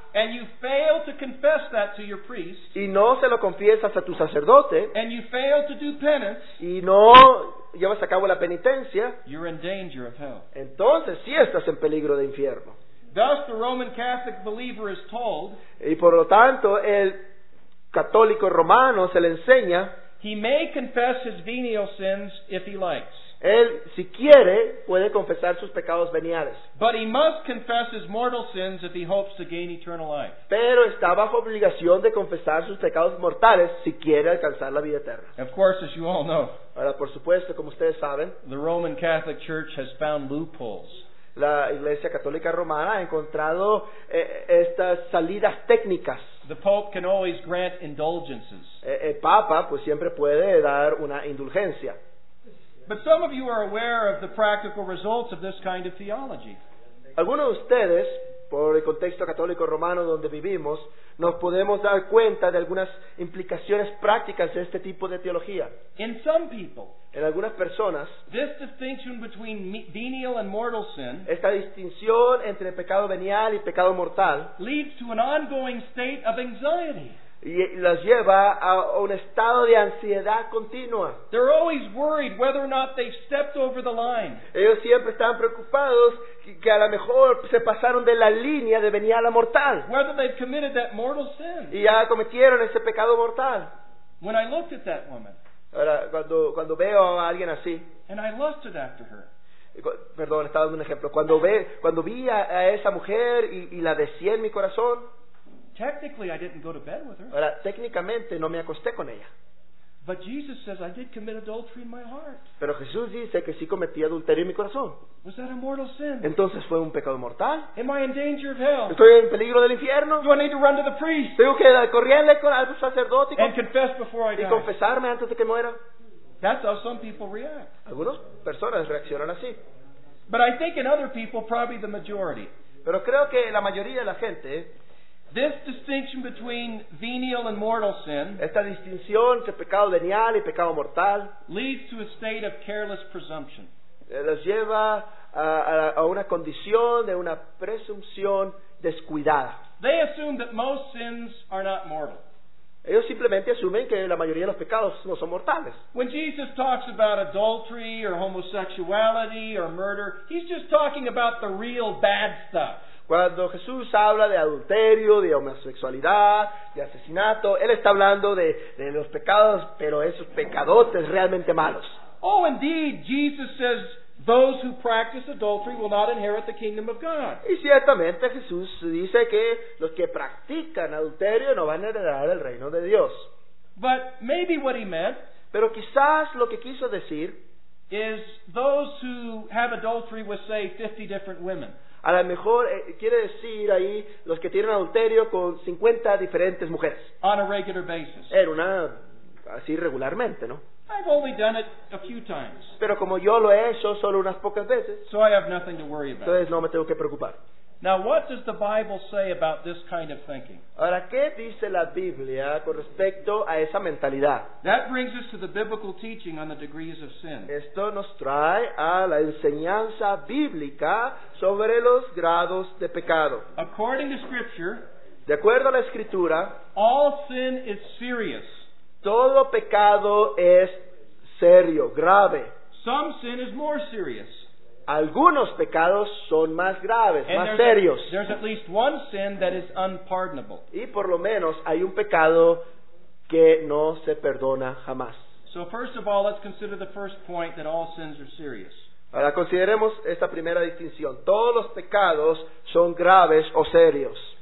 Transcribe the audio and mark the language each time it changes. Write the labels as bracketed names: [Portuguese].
[English] and you fail to confess that to your priest, [Spanish] y no se lo confiesas a tu sacerdote, [English] and you fail to do penance, [Spanish] y no llevas a cabo la penitencia, [English] you're in danger of hell. [Spanish] Entonces sí estás en peligro de infierno. [English] Thus, the Roman Catholic believer is told, [Spanish] y por lo tanto el católico romano se le enseña, [English] he may confess his venial sins if he likes. [Spanish] Él, si quiere, puede confesar sus pecados veniales. [English] But he must confess his mortal sins if he hopes to gain eternal life. [Spanish] Pero está bajo obligación de confesar sus pecados mortales si quiere alcanzar la vida eterna. [English] Of course, as you all know, [Spanish] ahora, por supuesto, como ustedes saben, [English] the Roman Catholic Church has found loopholes. [Spanish] La Iglesia Católica Romana ha encontrado estas salidas técnicas. [English] The Pope can always grant indulgences. [Spanish] El Papa, pues, siempre puede dar una indulgencia. [English] But some of you are aware of the practical results of this kind of theology. [Spanish] Algunos de ustedes, por el contexto católico romano donde vivimos, nos podemos dar cuenta de algunas implicaciones prácticas de este tipo de teología. [English] In some people, [Spanish] en algunas personas, [English] this distinction between venial and mortal sin, [Spanish] esta distinción entre pecado venial y pecado mortal, [English] leads to an ongoing state of anxiety. [Spanish] Y las lleva a un estado de ansiedad continua. [English] They're always worried whether or not they've stepped over the line. [Spanish] Ellos siempre están preocupados que a lo mejor se pasaron de la línea de venir a la mortal. [English] Whether they've committed that mortal sin. [Spanish] Y ya cometieron ese pecado mortal. [English] When I looked at that woman. [Spanish] Ahora, cuando veo a alguien así. [English] And I lusted after her. [Spanish] Perdón, estaba dando un ejemplo. Cuando vi a esa mujer y la deseé en mi corazón. [English] Technically, I didn't go to bed with her. [Spanish] Ahora, técnicamente, no me acosté con ella. [English] But Jesus says I did commit adultery in my heart. [Spanish] Pero Jesús dice que sí cometí adulterio en mi corazón. [English] Was that a mortal sin? [Spanish] Entonces, ¿fue un pecado mortal? [English] Am I in danger of hell? [Spanish] ¿Estoy en peligro del infierno? [English] Do I need to run to the priest? [Spanish] ¿Tengo que correrle al sacerdote [English] and confess before I die? [Spanish] ¿Y confesarme antes de que muera? [English] That's how some people react. [Spanish] Algunas personas reaccionan así. [English] But I think in other people, probably the majority. [Spanish] Pero creo que la mayoría de la gente, [English] this distinction between venial and mortal sin, [Spanish] esta distinción entre pecado venial y pecado mortal, [English] leads to a state of careless presumption. [Spanish] Los lleva a una condición de una presunción descuidada. [English] They assume that most sins are not mortal. [Spanish] Ellos simplemente asumen que la mayoría de los pecados no son mortales. [English] When Jesus talks about adultery or homosexuality or murder, he's just talking about the real bad stuff. [Spanish] Cuando Jesús habla de adulterio, de homosexualidad, de asesinato, Él está hablando de los pecados, pero esos pecadotes realmente malos. [English] Oh, indeed, Jesus says, those who practice adultery will not inherit the kingdom of God. [Spanish] Y ciertamente Jesús dice que los que practican adulterio no van a heredar el reino de Dios. [English] But maybe what he meant, [Spanish] pero quizás lo que quiso decir, [English] is those who have adultery with, say, 50 different women. [Spanish] A lo mejor quiere decir ahí los que tienen adulterio con 50 diferentes mujeres. [English] On a regular basis. [Spanish] En una, así regularmente, ¿no? [English] I've only done it a few times. [Spanish] Pero como yo lo he hecho solo unas pocas veces, [English] so I have nothing to worry about. [Spanish] Entonces no me tengo que preocupar. [English] Now, what does the Bible say about this kind of thinking? [Spanish] Ahora, ¿qué dice la Biblia con respecto a esa mentalidad? [English] That brings us to the biblical teaching on the degrees of sin. [Spanish] Esto nos trae a la enseñanza bíblica sobre los grados de pecado. [English] According to Scripture, [Spanish] de acuerdo a la Escritura, [English] all sin is serious. [Spanish] Todo pecado es serio, grave. [English] Some sin is more serious. [Spanish] Algunos pecados son más graves, [English] and [Spanish] más serios. [English] There's at least one sin that is unpardonable. [Spanish] Y por lo menos hay un pecado que no se perdona jamás. [English] So first of all, let's consider the first point that all sins are serious. [Spanish] Ahora consideremos esta primera distinción. Todos los pecados son graves o serios.